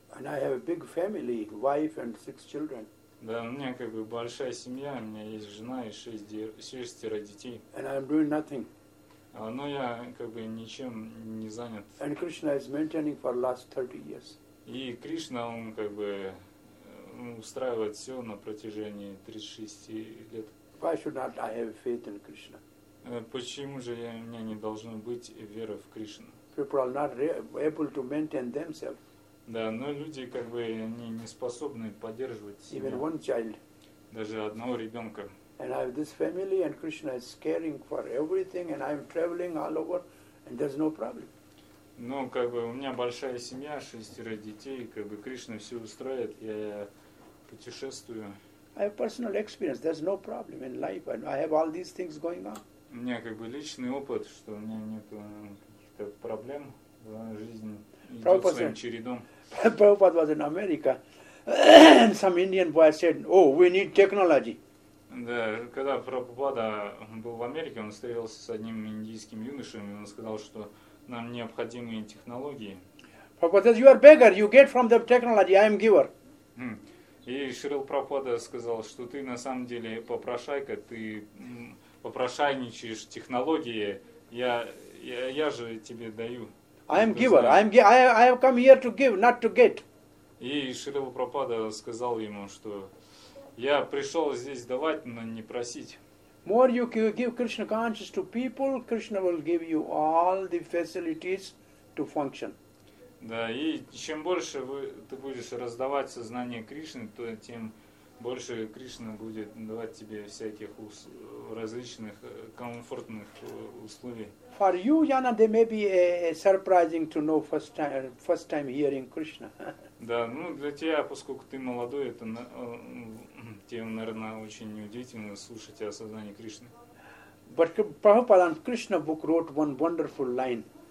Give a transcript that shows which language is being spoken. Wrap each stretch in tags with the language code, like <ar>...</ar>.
<en>And I have a big family, wife and 6 children.</en> <ru>Да, у меня как бы большая семья, у меня есть жена и 6 детей.</ru> <en>And I'm doing nothing.</en> <ru>Но я как бы ничем не занят.</ru> <en>And Krishna is maintaining for last 30 years.</en> <ru>И Кришна, он как бы устраивает все на протяжении 36 лет.</ru> <en>Why should not I have faith in Krishna?</en> <ru>Почему же у меня не должно быть веры в Кришну?</ru> <en>People are not able to maintain themselves.</en> <ru>Да, но люди как бы они не способны поддерживать себя.</ru> <en>Even one child.</en> <ru>Даже одного ребенка.</ru> <en>And I have this family, and Krishna is caring for everything, and I'm traveling all over, and there's no problem.</en> <ru>Ну, как бы у меня большая семья, 6 детей, как бы Кришна все устраивает, я путешествую.</ru> <en>I have personal experience. There's no problem in life, and I have all these things going on.</en> <ru>У меня как бы личный опыт, что у меня нет проблем в жизни, идет своим чередом.</ru> <en>Prabhupada was in America, and some Indian boy said, "Oh, we need technology."</en> <ru>Да, когда Прабхупада был в Америке, он встретился с одним индийским юношем, и он сказал, что нам необходимы технологии.</ru> <en>Prabhupada says, "You are beggar. You get from the technology. I am giver."</en> <ru>И Шрила Прабхупада сказал, что ты на самом деле попрошайка, ты попрошайничаешь технологии. Я же тебе даю.</ru> <en>I have come here to give, not to get.</en> <ru>И Шрила Прабхупада сказал ему, что я пришел здесь давать, но не просить.</ru> <en>More you give Krishna consciousness to people, Krishna will give you all the facilities to function.</en> <ru>Да, и чем больше ты будешь раздавать сознание Кришны, то тем больше Кришна будет давать тебе всяких различных комфортных условий.</ru> <en>For you, Yana, they may be surprising to know first time hearing Krishna.</en> <ru>Да, ну для тебя, поскольку ты молодой, это тебе, наверное, очень удивительно слушать о сознании Кришны.</ru> <en>But Prabhupada and Krishna book wrote one wonderful line.</en>